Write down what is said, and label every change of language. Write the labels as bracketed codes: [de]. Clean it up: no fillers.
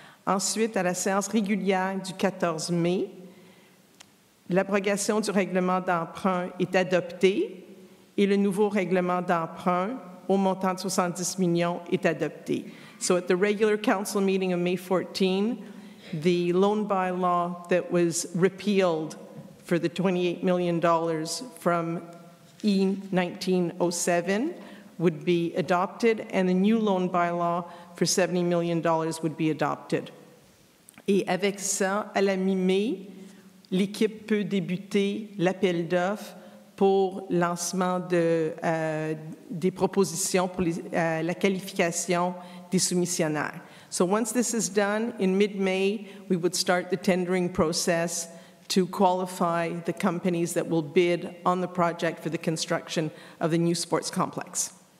[fr] Ensuite, à la séance régulière du 14 mai, l'abrogation du règlement d'emprunt est adoptée et le nouveau règlement d'emprunt au montant de 70 millions est adopté. [en] So at the regular council meeting of May 14, the loan bylaw that was repealed for the $28 million from E1907 would be adopted, and the new loan bylaw for $70 million would be adopted. [fr] Et avec ça, à la mi-mai, l'équipe peut débuter l'appel d'offres pour lancement des propositions pour la qualification des soumissionnaires. [en] So once this is done, in mid-May, we would start the tendering process to qualify the companies that will bid on the project for the construction of the new sports complex.